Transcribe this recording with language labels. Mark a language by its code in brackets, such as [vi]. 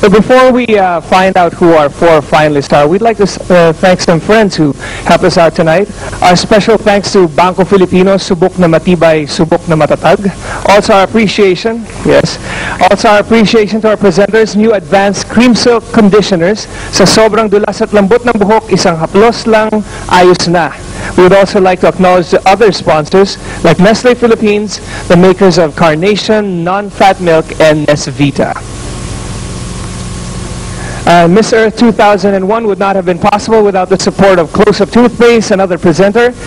[en] But before we find out who our 4 finalists are, we'd like to thank some friends who helped us out tonight. Our special thanks to Banco Filipino, [tl] Subok na Matibay, Subok na Matatag. [en] Also our appreciation, yes. Also our appreciation to our presenters, new advanced cream silk conditioners. [tl] Sa sobrang dulas at lambot ng buhok, isang haplos lang, ayos na. [en] We'd also like to acknowledge the other sponsors, like Nestle Philippines, the makers of Carnation, Non-Fat Milk, and Nesvita. Miss Earth 2001 would not have been possible without the support of Close-Up Toothpaste, another presenter.